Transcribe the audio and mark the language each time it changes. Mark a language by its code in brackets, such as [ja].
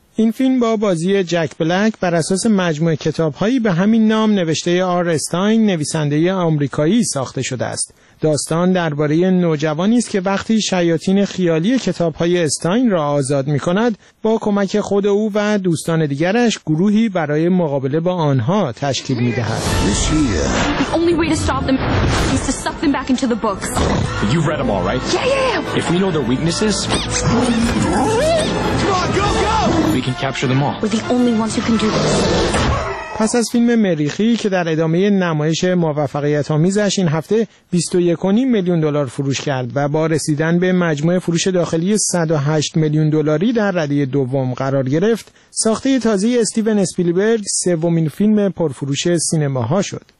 [fa] این فیلم با بازی جک بلک بر اساس مجموعه کتاب‌هایی به همین نام نوشته آر استاین نویسنده آمریکایی ساخته شده است. داستان درباره نوجوانی است که وقتی شیاطین خیالی کتاب‌های استاین را آزاد می‌کند، با کمک خود او و دوستان دیگرش گروهی برای مقابله با آنها تشکیل می‌دهد. [en] The only way to stop them is to suck them back into the books. You've read them all, right? Yeah, yeah. If we know their weaknesses, come on, go, go. We can capture them all. We're the only ones who can do this. [fa] پس از فیلم مریخی که در ادامه نمایش موفقیت‌آمیزش این هفته 21.5 میلیون دلار فروش کرد و با رسیدن به مجموع فروش داخلی 108 میلیون دلاری در ردیه دوم قرار گرفت، ساخته تازه استیون اسپیلبرگ سومین فیلم پرفروش سینماها شد.